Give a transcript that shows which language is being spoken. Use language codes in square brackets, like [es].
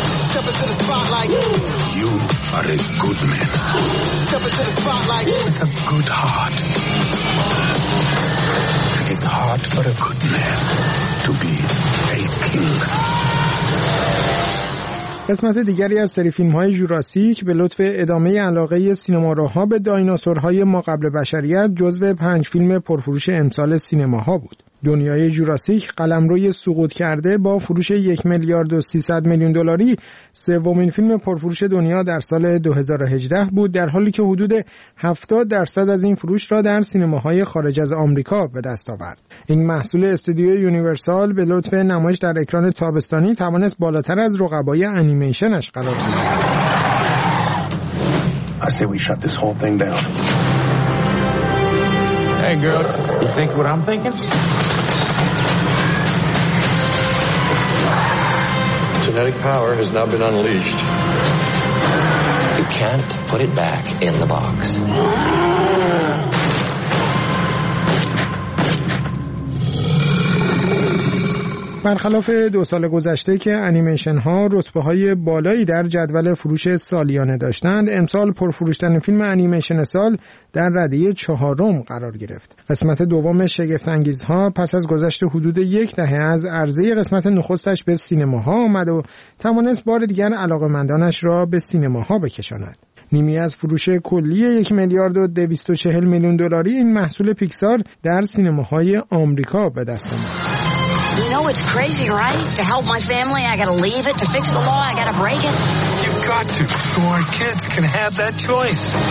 [en] Step into the spotlight. You are a good man. Step into the spotlight. With a good heart. And it's hard for a good man to be a king. [fa] قسمت دیگری از سری فیلم‌های جوراسیک به لطف ادامه علاقه سینماروها به دایناسورهای ماقبل بشریت جزو 5 فیلم پرفروش امسال سینماها بود. دنیای جوراسیک قلمروی سقوط کرده با فروش 1.3 میلیارد دلاری سومین فیلم پرفروش دنیا در سال 2018 بود، در حالی که حدود 70% از این فروش را در سینماهای خارج از آمریکا به دست آورد. این محصول استودیوی یونیورسال به لطف نمایش در اکران تابستانی توانست بالاتر از رقبای انیمیشنش قرار گیرد. [en] I say we shut this whole thing down. Hey girl, you think what I'm thinking? Genetic power has now been unleashed. You can't put it back in the box. Yeah. [fa] برخلاف دو سال گذشته که انیمیشن ها رتبه های بالایی در جدول فروش سالیانه داشتند، امسال پرفروشترین فیلم انیمیشن سال در رده چهارم قرار گرفت. قسمت دوم شگفت انگیز ها پس از گذشت حدود یک دهه از عرضه قسمت نخستش به سینماها آمد و توانست بار دیگر علاقه‌مندانش را به سینماها بکشاند. نیمی از فروش کلی 1,240,000,000 دلاری این محصول پیکسار در سینماهای آمریکا به دست آمد. [en] You know it's crazy, right? To help my family, I gotta leave it. To fix the law, I gotta break it. You've got to, so our kids can have that choice.